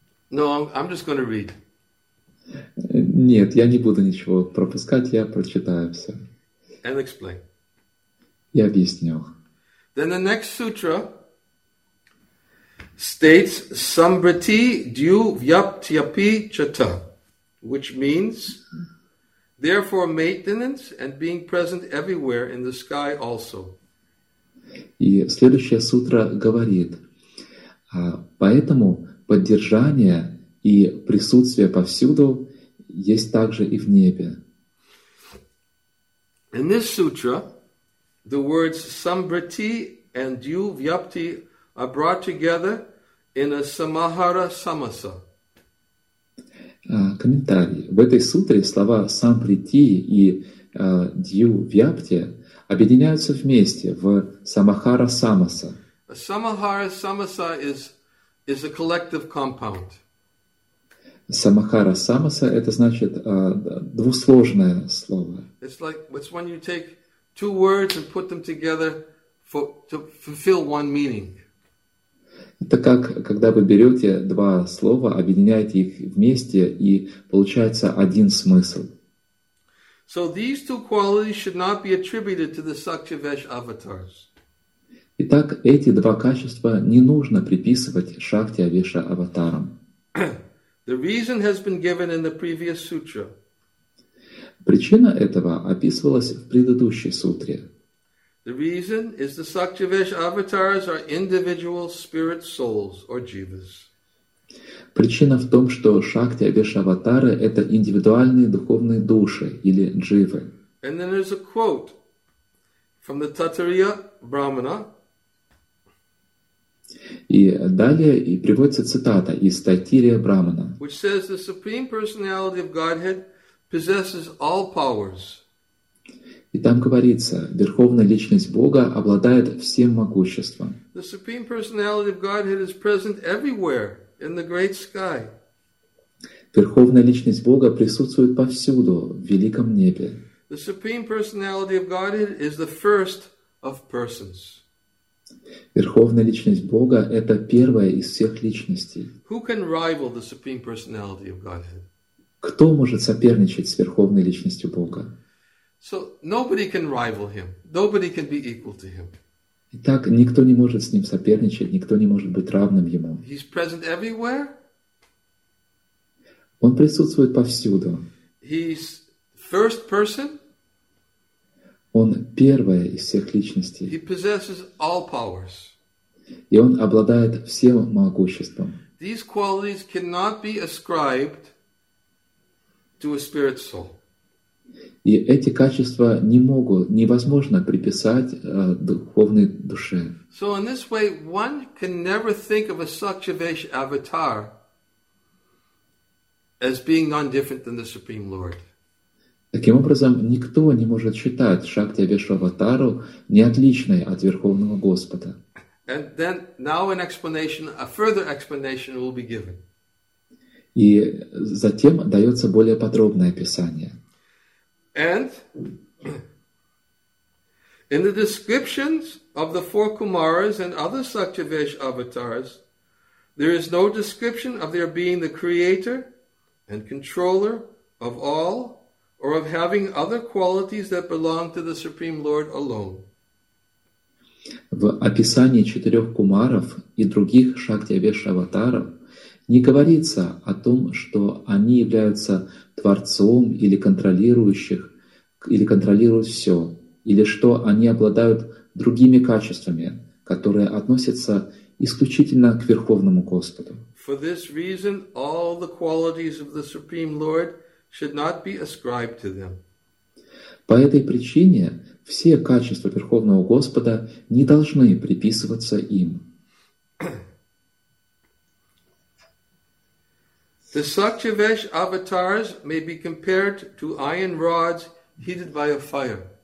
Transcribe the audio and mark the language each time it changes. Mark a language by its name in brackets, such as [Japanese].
[English] No, I'm just going to read. [Russian] Нет, я не буду ничего пропускать, я прочитаю все. [English] And explain. [Russian] Я объясню. [English] Then the next sutra states [Sanskrit] Samvriti Dyu Vyaptyapi Chata, [English] which means therefore maintenance and being present everywhere in the sky also. [Russian] И следующая сутра говорит, поэтому поддержание и присутствие повсюду есть также и в небе. [English] In this sutra, the words Samvriti and Dyu Vyapti are brought together in a Samahara Samasa. [Russian] Комментарий. В этой сутре слова «самприти» и «дью-вяпти» объединяются вместе в «самахара-самаса». [English] Самахара-самаса is a collective compound. [Russian] Самахара-самаса – это значит двусложное слово. [English] It's like it's when you take two words and put them together to fulfill one meaning. [Russian] Это как, когда вы берете два слова, объединяете их вместе, и получается один смысл. [English] So these two qualities should not be attributed to the Sakshivesh avatars. [Russian] Итак, эти два качества не нужно приписывать Шакти Авеша аватарам. [English] The reason has been given in the previous sutra. [Russian] Причина этого описывалась в предыдущей сутре. [English] The reason is the Sakshivesh avatars are individual spirit souls or jivas. [Russian] Причина в том, что Шакти Авеша аватары — это индивидуальные духовные души или дживы. [English] And then there's a quote from the Taittiriya Brahmana. [Russian] И далее и приводится цитата из Таттирия Брахмана. [English] Which says the supreme personality of Godhead possesses all powers. [Russian] И там говорится, верховная личность Бога обладает всем могуществом. [English] The supreme personality of Godhead is present everywhere in the great sky. [Russian] Верховная личность Бога присутствует повсюду в великом небе. [English] The supreme personality of Godhead is the first of persons. [Russian] Верховная личность Бога – это первая из всех личностей. [English] Who can rival the supreme personality of Godhead? [Russian] Кто может соперничать с верховной личностью Бога? [English] So nobody can rival him. Nobody can be equal to him. [Russian] Итак, никто не может с ним соперничать, никто не может быть равным ему. [English] He's present everywhere. [Russian] Он присутствует повсюду. [English] He's first person. [Russian] Он первая из всех личностей. [English] He possesses all powers. [Russian] И он обладает всем могуществом. [English] These qualities cannot be ascribed to a spirit soul. [Russian] И эти качества не могут, невозможно приписать духовной душе. [English] So in this way, one can never think of a Sakshivesh avatar as being non-different than the Supreme Lord. [Russian] Таким образом, никто не может считать Шакти Авеша аватару неотличной от Верховного Господа. [English] And then, now an explanation, a further explanation will be given. [Russian] И затем дается более подробное описание. [English] And in the descriptions of the four Kumaras and other Sakshivesh avatars, there is no description of their being the creator and controller of all, or of having other qualities that belong to the Supreme Lord alone. [Russian] В описании четырех кумаров и других Шакти Авеша аватаров не говорится о том, что они являются творцом или контролирующих, или контролируют все, или что они обладают другими качествами, которые относятся исключительно к Верховному Господу. [English] For this reason, all the qualities of the Supreme Lord should not be ascribed to them. [Russian] По этой причине все качества Верховного Господа не должны приписываться им. [English] The Sakshivesh avatars may be compared to iron rods heated by a fire.